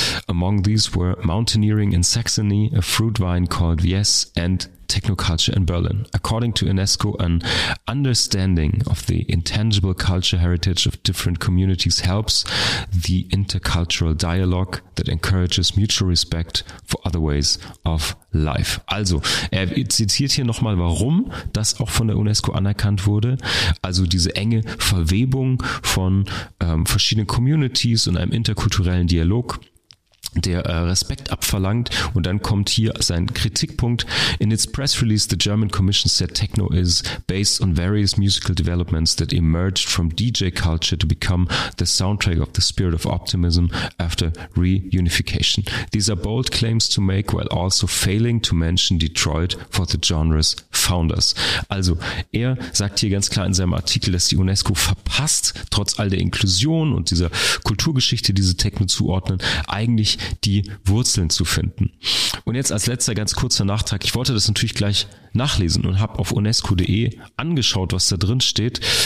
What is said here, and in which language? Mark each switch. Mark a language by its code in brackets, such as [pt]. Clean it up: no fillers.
[en] Among these were mountaineering in Saxony, a fruit vine called Vies, and technoculture in Berlin. According to UNESCO, an understanding of the intangible culture heritage of different communities helps the intercultural dialogue that encourages mutual respect for other ways of life. [de] Also, er zitiert hier nochmal, warum das auch von der UNESCO anerkannt wurde. Also diese enge Verwebung von verschiedenen Communities und einem interkulturellen Dialog, der Respekt abverlangt. Und dann kommt hier sein Kritikpunkt. [en] In its press release, the German Commission said techno is based on various musical developments that emerged from DJ culture to become the soundtrack of the spirit of optimism after reunification. These are bold claims to make while also failing to mention Detroit for the genre's founders. [de] Also, er sagt hier ganz klar in seinem Artikel, dass die UNESCO verpasst, trotz all der Inklusion und dieser Kulturgeschichte, diese Techno zuordnen, eigentlich die Wurzeln zu finden. Und jetzt als letzter ganz kurzer Nachtrag. Ich wollte das natürlich gleich nachlesen und habe auf unesco.de angeschaut, was da drin steht.